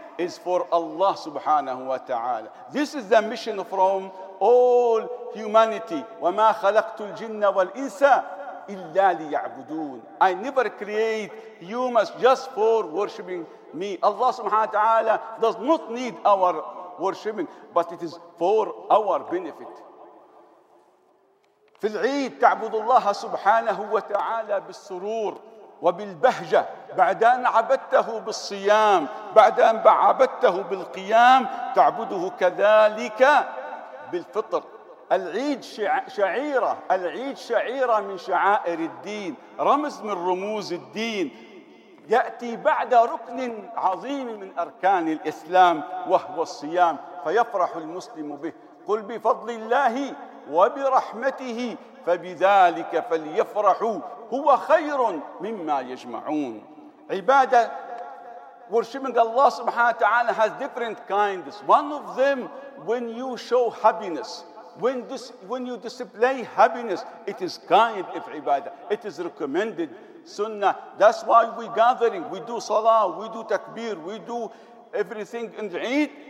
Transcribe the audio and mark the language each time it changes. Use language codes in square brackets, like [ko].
[en] is for Allah subhanahu wa ta'ala. This is the mission from all humanity. [ar] وَمَا خَلَقْتُ الْجِنَّ وَالْإِنسَ إِلَّا لِيَعْبُدُونَ. [en] I never create humans just for worshipping me. Allah subhanahu wa ta'ala does not need our worshipping, but it is for our benefit. [ar] في العيد تعبد الله سبحانه وتعالى بالسرور وبالبهجة بعد أن عبدته بالصيام بعد أن عبدته بالقيام تعبده كذلك بالفطر. العيد شعيرة, العيد شعيرة من شعائر الدين, رمز من رموز الدين, يأتي بعد ركن عظيم من أركان الإسلام وهو الصيام, فيفرح المسلم به. قل بفضل الله وبرحمته فبذلك فليفرحوا هو خير مما يجمعون. [en] عبادة worshiping Allah subhanahu wa ta'ala has different kinds. One of them, when you show happiness, when you display happiness, it is kind of ibadah. It is recommended sunnah. That's why we gathering, we do salah, we do takbir, we do everything in the Eid.